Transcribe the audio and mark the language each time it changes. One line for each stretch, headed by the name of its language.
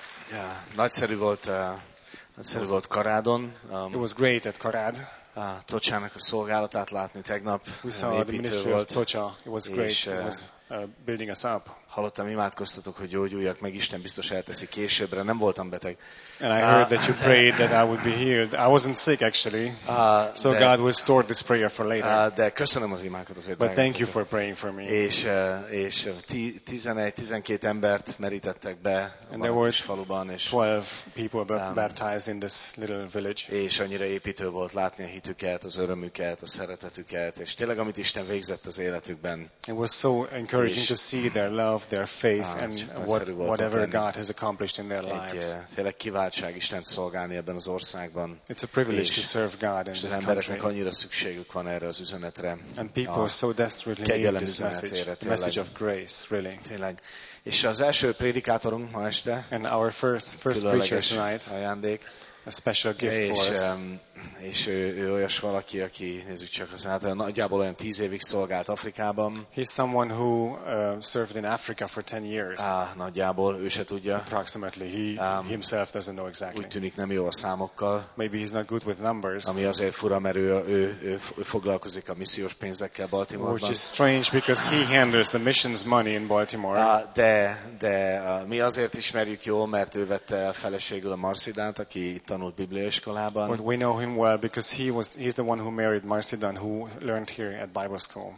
Hungarian: Yeah, nagyszerű volt Karádon.
English: It was great at Karád.
Hungarian: Tocsának a szolgálatát látni tegnap.
English: We saw the ministry
Hungarian: volt,
English: of Tocsa. It was great. It was building us up.
Hungarian: Hallottam, imádkoztatok, hogy gyógyuljak meg, Isten biztos elteszi későbbre. Nem voltam beteg.
English: And I heard that you prayed that I would be healed. I wasn't sick actually. So de, God will store this prayer for later.
Hungarian: De köszönöm az imákat azért.
English: But thank you for praying for me.
Hungarian: És 11-12 embert merítettek be a faluban, és
English: 12 people were baptized in this little village.
Hungarian: És annyira építő volt látni a hitüket, az örömüket, a szeretetüket, és tényleg amit Isten végzett az életükben.
English: It was so encouraging to see their love, their faith, and whatever God has accomplished in their lives.
Hungarian: Váltság Istent szolgálni ebben az országban.
English: It's a privilege to serve God in this country.
Hungarian: És az embereknek annyira szükségük van erre az üzenetre.
English: And people are so desperately need this message. The message of grace, really.
Hungarian: Tényleg. És az első prédikátorunk ma este.
English: And our first preacher tonight.
Hungarian: Ajándék.
English: A special gift for us.
Hungarian: És ő olyas valaki, aki nézzük csak az hát, nagyjából olyan 10 évig szolgált Afrikában.
English: He's someone who served in Africa for 10 years.
Hungarian: Nagyjából ő se tudja.
English: Approximately himself doesn't know exactly.
Hungarian: Úgy tűnik nem jó a számokkal.
English: Maybe he's not good with numbers.
Hungarian: Ami azért fura, mert ő foglalkozik a missziós pénzekkel Baltimoreban.
English: Which is strange because he handles the missions money in Baltimore.
Hungarian: De mi azért ismerjük jól, mert ő vette a feleségül a Marcidát, aki tanult bibliaiskolában.
English: But we know him well because he's the one who married Marcidan, who learned here at Bible school.